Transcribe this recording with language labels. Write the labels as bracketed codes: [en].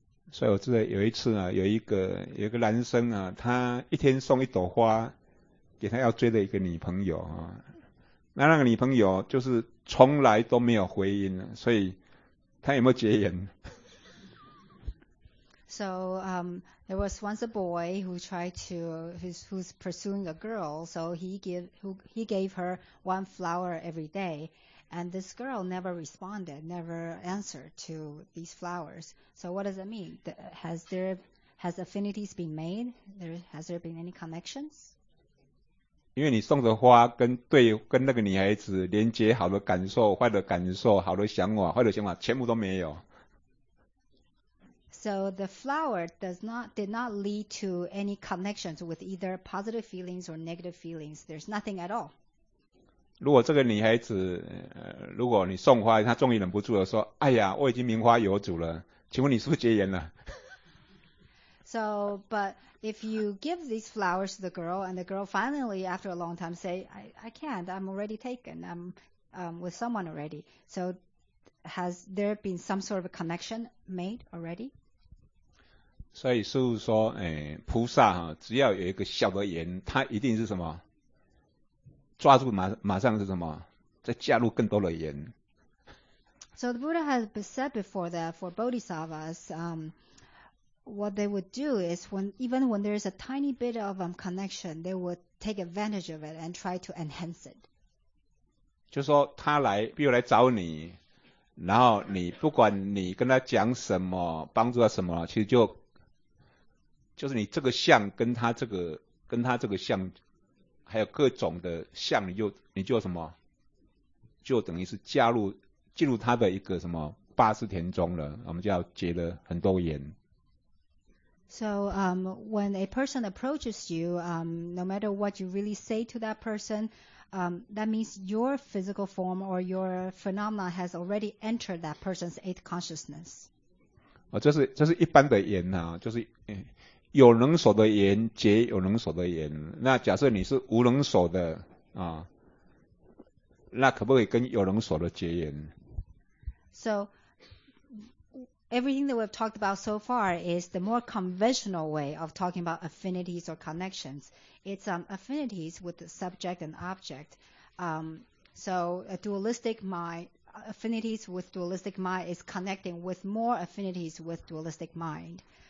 [zh] 所以我记得有一次啊，有一个男生啊，他一天送一朵花给他要追的一个女朋友啊，那个女朋友就是从来都没有回音，所以他有没有结缘？ [en] So there was once a boy who tried to who's pursuing a girl. So he gave her one flower every day, and this girl never responded, never answered to these flowers. So what does that mean? Has affinities been made? Has there been any connections? [zh] 因为你送的花跟那个女孩子连接好的感受、坏的感受、好的想法、坏的想法，全部都没有。 [en] So the flower did not lead to any connections with either positive feelings or negative feelings. There's nothing at all. [zh] 如果这个女孩子，如果你送花，她终于忍不住了，说：“哎呀，我已经名花有主了，请问你是不是结缘了？” [en] So, but if you give these flowers to the girl, and the girl finally, after a long time, say, "I can't. I'm already taken. I'm with someone already." So, has there been some sort of a connection made already? [zh] 所以师父说，菩萨只要有一个小的缘，他一定是什么抓住马上是什么再加入更多的缘。 [en] So the Buddha has said before that for bodhisattvas, what they would do is even when there is a tiny bit of connection, they would take advantage of it and try to enhance it. [zh] 就说他来，比如来找你。然后你不管你跟他讲什么，帮助他什么，其实就是你这个相跟他这个相，还有各种的相，你就什么，就等于是进入他的一个什么八识田中了，我们叫结了很多缘。 [en] So, when a person approaches you, no matter what you really say to that person, that means your physical form or your phenomena has already entered that person's eighth consciousness. [zh] 这是一般的缘啊，就是。有能守的缘结有能守的缘，那假设你是无能守的啊，那可不可以跟有能守的结缘 [en] ？So everything that we've talked about so far is the more conventional way of talking about affinities or connections. It's affinities with the subject and object. So a dualistic mind affinities with dualistic mind is connecting with more affinities with dualistic mind.